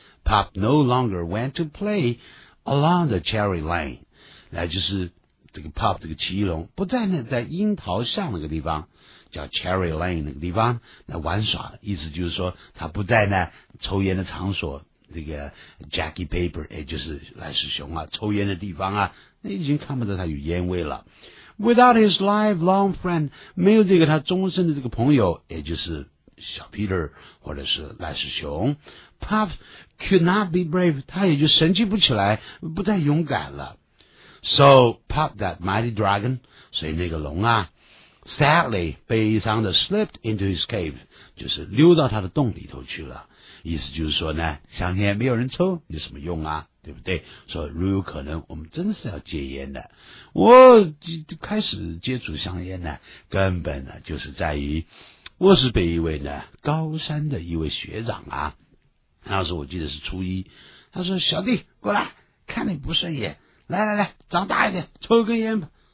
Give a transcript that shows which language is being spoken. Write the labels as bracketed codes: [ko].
[en] Pop no longer went to play along the cherry lane, [zh] 那就是这个 Pop 这个奇异龙不在那在樱桃巷那个地方叫 cherry lane 那个地方来玩耍了，意思就是说他不在那抽烟的场所，这个 Jackie Paper, 也就是赖世雄啊抽烟的地方啊，那已经看不到他有烟味了。 [en] Without his lifelong friend, [zh] 没有这个他终身的这个朋友，也就是小 Peter, 或者是赖世雄 , [en] Puff could not be brave, [zh] 他也就神气不起来，不再勇敢了。 [en] So, Puff that mighty dragon, [zh] 所以那个龙啊 ,sadly, 悲伤的 [en] slipped into his cave, [zh] 就是溜到他的洞里头去了。意思就是说呢，香烟没有人抽，有什么用啊，对不对？所以如有可能我们真的是要戒烟的。我开始接触香烟呢，根本呢就是在于我是被一位呢高山的一位学长啊，当时我记得是初一，他说小弟过来看你不顺眼，来来来长大一点抽根烟吧。